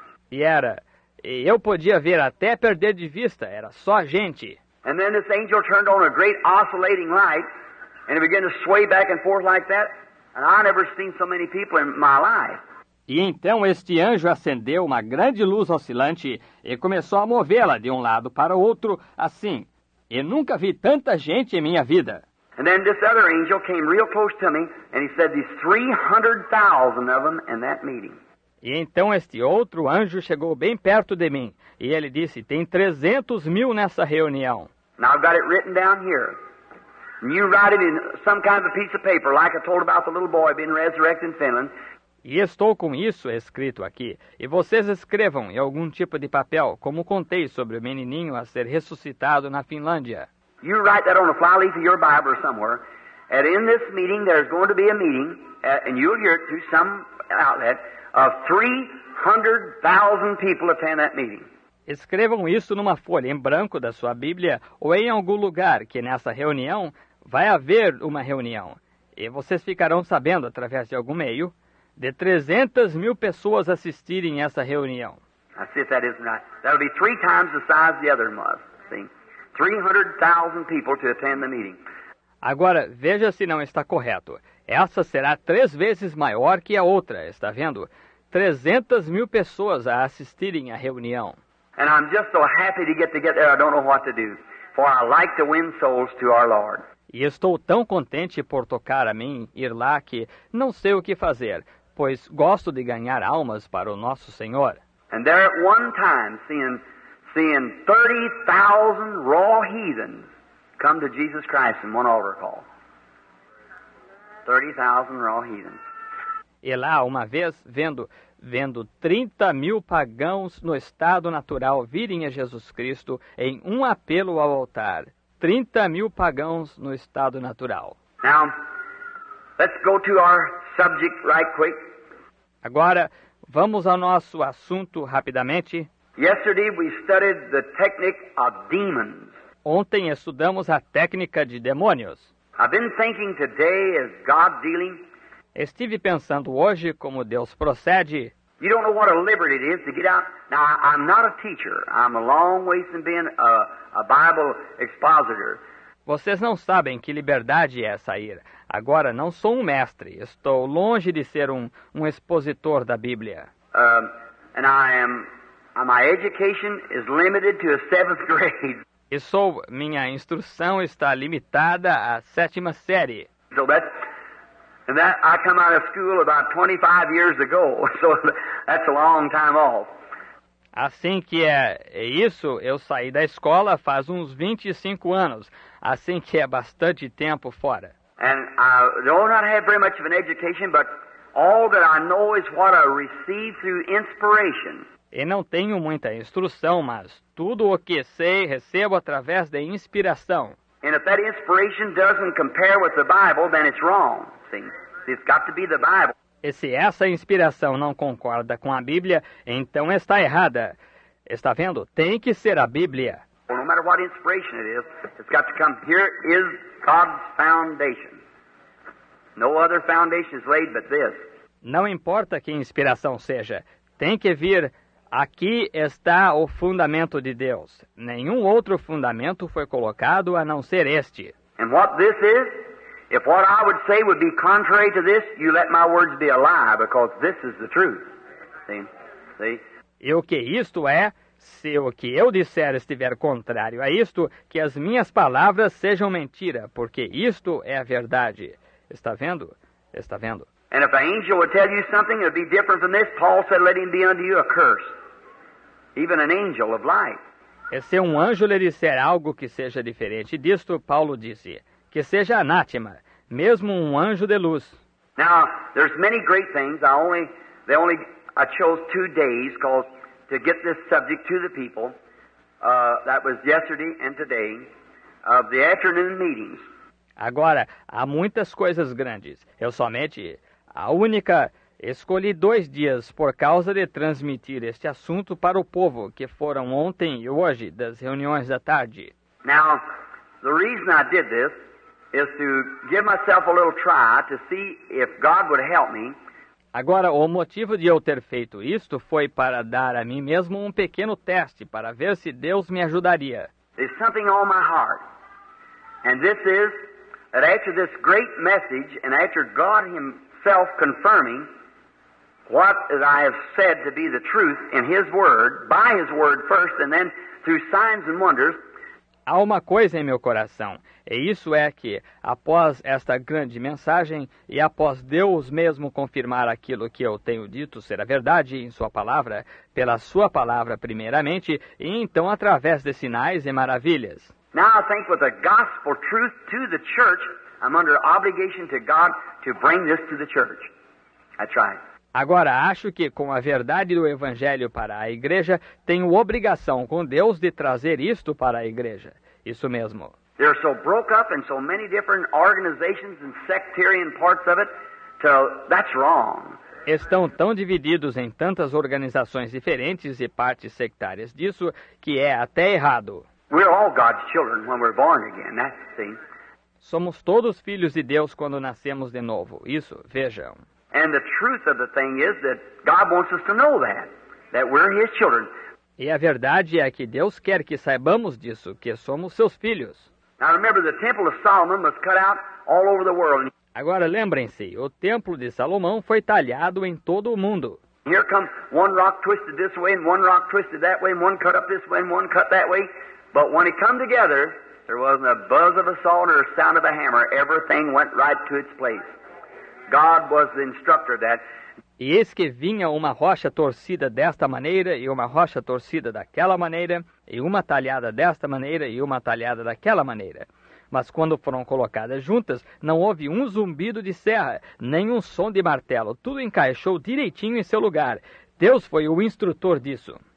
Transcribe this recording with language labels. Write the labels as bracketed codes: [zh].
[pt] E eu podia ver até perder de vista, era só gente. [en] And then this angel turned on a great oscillating light, and it began to sway back and forth like that. And I never seen so many people in my life. [pt] E então este anjo acendeu uma grande luz oscilante e começou a movê-la de um lado para o outro, assim. E nunca vi tanta gente em minha vida. [en] And then this other angel came real close to me, and he said there's 300,000 of them in that meeting. [pt] E então este outro anjo chegou bem perto de mim, e ele disse, tem 300,000 nessa reunião. [en] Now I've got it written down here. You write it in some kind of a piece of paper, like I told about the little boy being resurrected in Finland. [pt] E estou com isso escrito aqui. E vocês escrevam em algum tipo de papel, como contei sobre o menininho a ser ressuscitado na Finlândia. [en] You write that on a flyleaf of your Bible or somewhere. And in this meeting, there's going to be a meeting, and you'll hear it through some outlet, of 300,000 people attend that meeting. [pt] Escrevam isso numa folha em branco da sua Bíblia ou em algum lugar que nessa reunião vai haver uma reunião. E vocês ficarão sabendo através de algum meio de 300,000 pessoas assistirem essa reunião. [en] I see if that isn't right. That'll be three times the size the other one was. See? 300,000 people to attend the meeting. [pt] Agora, veja se não está correto. Essa será três vezes maior que a outra, está vendo? 300,000 pessoas a assistirem à reunião. [en] And I'm just so happy to get there, I don't know what to do. For I like to win souls to our Lord. [pt] E estou tão contente por tocar a mim, ir lá, que não sei o que fazer, pois gosto de ganhar almas para o nosso Senhor. [en] And there at one time, seeing 30,000 raw heathens come to Jesus Christ in one altar call. 30,000 raw heathens. [pt] E lá, uma vez, vendo 30,000 pagãos no estado natural virem a Jesus Cristo em um apelo ao altar. 30,000 pagãos no estado natural. [en] Now, let's go to our subject right quick. [pt] Agora, vamos ao nosso assunto rapidamente. [en] Yesterday we studied the technique of demons. [pt] Ontem estudamos a técnica de demônios. [en] I've been thinking today as God dealing. [pt] Estive pensando hoje como Deus procede. [en] You don't know what a liberty it is to get out. Now, I'm not a teacher. I'm a long way from being a Bible expositor. [pt] Vocês não sabem que liberdade é sair. Agora, não sou um mestre. Estou longe de ser um expositor da Bíblia. [en] My education is limited to a seventh grade. [pt] E sou... Minha instrução está limitada à sétima série. [en] So that's... And that, I come out of school about 25 years ago, so that's a long time off. [pt] Assim que é isso, eu saí da escola faz uns 25 anos, assim que é bastante tempo fora. [en] And I don't have very much of an education, but all that I know is what I receive through inspiration. [pt] E não tenho muita instrução, mas tudo o que sei, recebo através da inspiração. [en] And if that inspiration doesn't compare with the Bible, then it's wrong. It's got to be the Bible. [pt] E se essa inspiração não concorda com a Bíblia, então está errada. Está vendo? Tem que ser a Bíblia. [en] Well, no matter what inspiration it is, it's got to come. Here is God's foundation. No other foundation is laid but this. [pt] Não importa que inspiração seja, tem que vir. Aqui está o fundamento de Deus. Nenhum outro fundamento foi colocado a não ser este. [en] And what this is? If what I would say would be contrary to this, you let my words be a lie, because this is the truth. See? [pt] E o que isto é, se o que eu disser estiver contrário a isto, que as minhas palavras sejam mentira, porque isto é a verdade. Está vendo? Está vendo? [en] And if an angel would tell you something, it would be different than this. Paul said, let him be unto you a curse. Even an angel of light. [pt] E se um anjo lhe disser algo que seja diferente disto, Paulo disse, que seja anátema, mesmo um anjo de luz. [en] Now, there's many great things. I chose 2 days called to get this subject to the people. That was yesterday and today of the afternoon meetings. [pt] Agora, há muitas coisas grandes. Eu somente, a única, escolhi 2 dias por causa de transmitir este assunto para o povo, que foram ontem e hoje, das reuniões da tarde. [en] Now, the reason I did this is to give myself a little try to see if God would help me. [pt] Agora, o motivo de eu ter feito isto foi para dar a mim mesmo um pequeno teste para ver se Deus me ajudaria. [en] There's something on my heart. And this is that after this great message and after God himself confirming what I have said to be the truth in his word, by his word first and then through signs and wonders. [pt] Há uma coisa em meu coração, e isso é que, após esta grande mensagem, e após Deus mesmo confirmar aquilo que eu tenho dito ser a verdade em sua palavra, pela sua palavra primeiramente, e então através de sinais e maravilhas. [en] Now I think with the gospel truth to the church, I'm under obligation to God to bring this to the church. That's right. [pt] Agora, acho que com a verdade do Evangelho para a igreja, tenho obrigação com Deus de trazer isto para a igreja. Isso mesmo. [en] They're so broke up in so many different organizations and sectarian parts of it, so that's wrong. [pt] Estão tão divididos em tantas organizações diferentes e partes sectárias disso, que é até errado. [en] We're all God's children when we're born again, that's the thing. [pt] Somos todos filhos de Deus quando nascemos de novo. Isso, vejam. [en] And the truth of the thing is that God wants us to know that we're his children. [pt] E a verdade é que Deus quer que saibamos disso, que somos seus filhos. [en] Now remember, the temple of Solomon was cut out all over the world. [pt] Agora lembrem-se, o templo de Salomão foi talhado em todo o mundo. [en] Here comes one rock twisted this way and one rock twisted that way and one cut up this way and one cut that way, but when it come together, there wasn't a buzz of a saw or a sound of a hammer. Everything went right to its place. God was the instructor that. [pt] E eis que vinha uma rocha torcida desta maneira, e uma rocha torcida daquela maneira, e uma talhada desta maneira, e uma talhada daquela maneira. Mas quando foram colocadas juntas, não houve um zumbido de serra, nem um som de martelo. Tudo encaixou direitinho em seu lugar. Deus foi o instrutor disso.